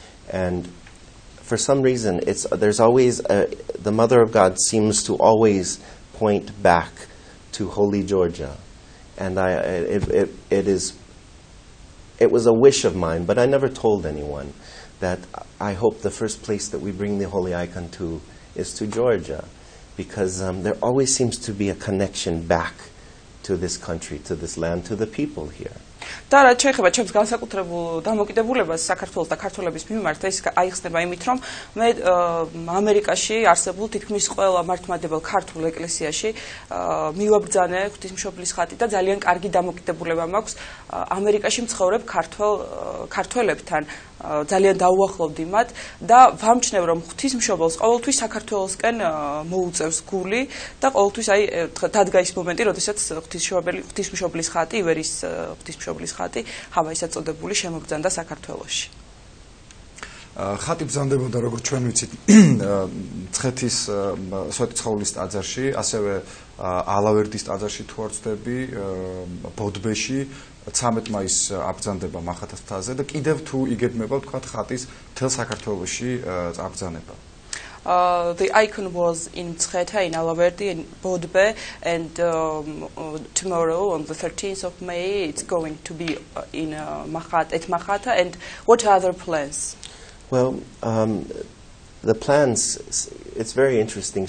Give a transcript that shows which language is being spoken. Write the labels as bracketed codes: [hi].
[en] And for some reason the Mother of God seems to always point back to Holy Georgia, and it was a wish of mine, but I never told anyone that I hope the first place that we bring the holy icon to is to Georgia, because there always seems to be a connection back to this country, to this land, to the people here. [ka] და რაც შეეხება ჩემს განსაკუთრებულ დამოკიდებულებას საქართველოს და ქართველების მიმართ, ეს აიხსნება იმით, რომ მე ამერიკაში არსებულ თითქმის ყველა მართლმადებელ ქართულ ეკლესიაში მივაბრძანე ღვთისმშობლის ხატი და ძალიან კარგი დამოკიდებულება მაქვს ამერიკაში მცხოვრებ ქართველებთან. ძალიან დაუახლოვდი მათ და ვამჩნევ, რომ ღვთისმშობელს ყოველთვის საქართველოსკენ მოუწევს გული და ყოველთვის აი დადგა ის მომენტი, როდესაც ღვთისმშობლის ხატი, ივერიის ღვთისმშობლის ხატი, ჰავაისად წოდებული შემოგზანდა საქართველოში. ხატი ბრძანდებოდა, როგორც ჩვენ ვიცით, ცხეთის სვეტიცხოვლის ტაძარში, ასევე ალავერდის ტაძარში, თუ არ ვცდები, ბოდბეში 13 მაისს აბრძანდება მახათას მთაზე და კიდევ თუ იგებმება ვთქვათ ხატის მთელ საქართველოში აბრძანება. [en] The icon was in Mtsxeta, in Alaverdi, in Bodbe, and tomorrow, on the 13th of May, it's going to be in at Mahata. And what are other plans? Well, the plans, it's very interesting.